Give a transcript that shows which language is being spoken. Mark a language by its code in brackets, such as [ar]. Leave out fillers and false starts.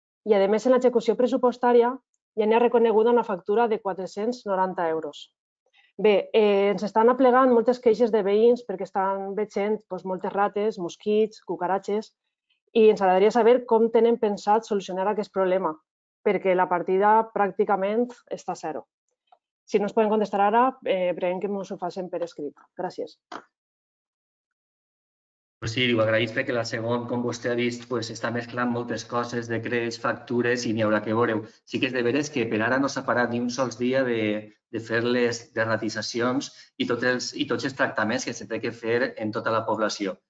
[ca] I, a més, en l'execució pressupostària ja n'hi ha reconeguda una factura de 490 euros. Bé, ens estan aplegant moltes queixes de veïns perquè estan veient moltes rates, mosquits, cucaratges, i ens agradaria saber com tenen pensat solucionar aquest problema, perquè la partida pràcticament està a zero. [es] Si nos pueden contestar ahora, creen que hemos ofrecido [ca] per escrit. Gràcies. Pues sí, ho agraïs perquè la segon, com vostè ha vist, pues està mesclant moltes coses, decrets, factures, i n'hi haurà que veureu. Sí que és de veres que per ara no s'ha parat ni un sol dia de fer les derratitzacions i tots els tractaments que s'ha de fer en tota la població.